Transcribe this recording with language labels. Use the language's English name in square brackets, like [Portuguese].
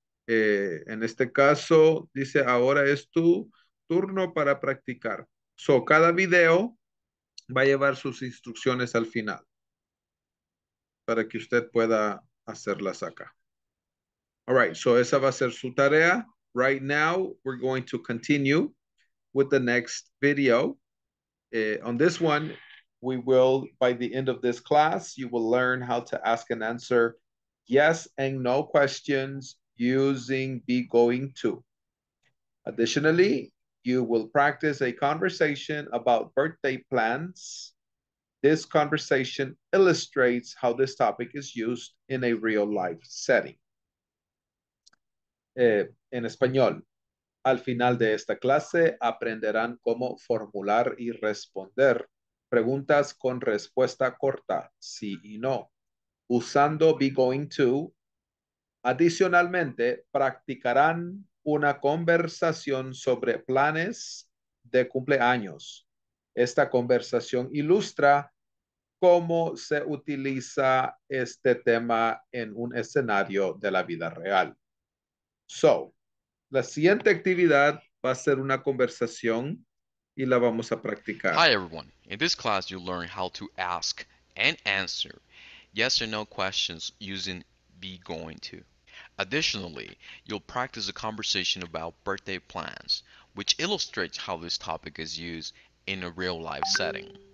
[Spanish] En este caso, dice, ahora es tu turno para practicar. So, cada video va a llevar sus instrucciones al final, para que usted pueda hacerlas acá. [English] All right, [Spanish] so esa va a ser su tarea. [English] Right now, we're going to continue with the next video. On this one, we will, by the end of this class, you will learn how to ask and answer yes and no questions using be going to. Additionally, you will practice a conversation about birthday plans. This conversation illustrates how this topic is used in a real life setting. [Spanish] En español, al final de esta clase aprenderán cómo formular y responder preguntas con respuesta corta, sí y no, usando [English] be going to. [Spanish] Adicionalmente, practicarán una conversación sobre planes de cumpleaños. Esta conversación ilustra cómo se utiliza este tema en un escenario de la vida real. So, la siguiente actividad va a ser una conversación y la vamos a practicar. [English] Hi everyone. In this class, you'll learn how to ask and answer yes or no questions using be going to. Additionally, you'll practice a conversation about birthday plans, which illustrates how this topic is used in a real life setting.